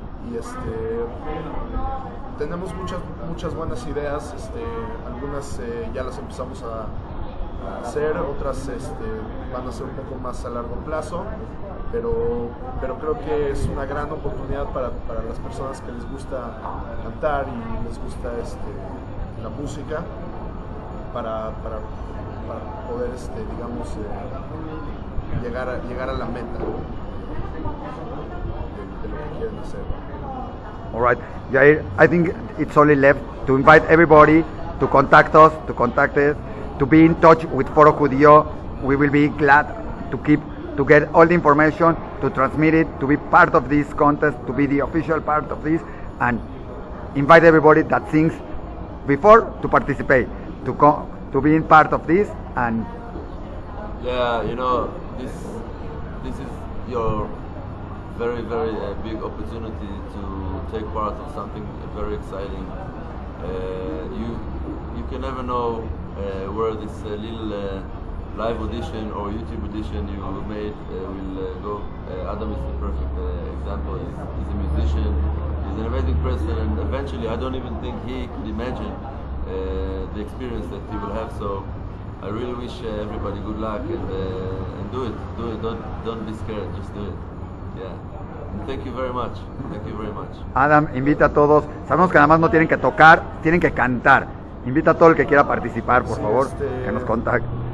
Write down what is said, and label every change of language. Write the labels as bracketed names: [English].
[Spanish] Y tenemos muchas buenas ideas, algunas ya las empezamos a hacer, otras van a ser un poco más a largo plazo, pero creo que es una gran oportunidad para las personas que les gusta cantar y les gusta la música, para poder llegar a la meta de lo que quieren hacer. [English] All right, Yair, I think it's only left to invite everybody to contact us, to be in touch with Foro Judío. We will be glad to get all the information, to transmit it, to be part of this contest, to be the official part of this, and invite everybody that sings before to participate, to be in part of this. And yeah, you know, this is your very, very big opportunity to take part of something very exciting. You can never know where this little live audition or YouTube audition you made will go. Adam is the perfect example. He's a musician, he's an amazing person, and eventually I don't even think he could imagine the experience that he will have. So I really wish everybody good luck, and do it, don't be scared, just do it. Yeah. Thank you very much. [Spanish] Adam, invita a todos. Sabemos que nada más no tienen que tocar, tienen que cantar. Invita a todo el que quiera participar, por favor, que nos contacte.